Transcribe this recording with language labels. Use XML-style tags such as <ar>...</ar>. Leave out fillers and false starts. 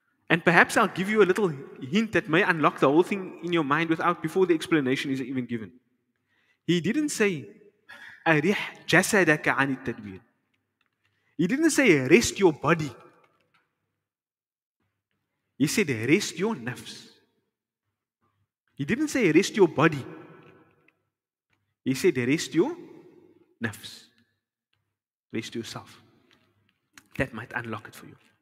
<en>And perhaps I'll give you a little hint that may unlock the whole thing in your mind without, before the explanation is even given. He didn't say,</en> <ar>أريح جسدك عن التدبير.</ar> <en>He didn't say, rest your body. He said, rest your nafs. He didn't say, rest your body. He said, rest your nafs. Rest yourself. That might unlock it for you.</en>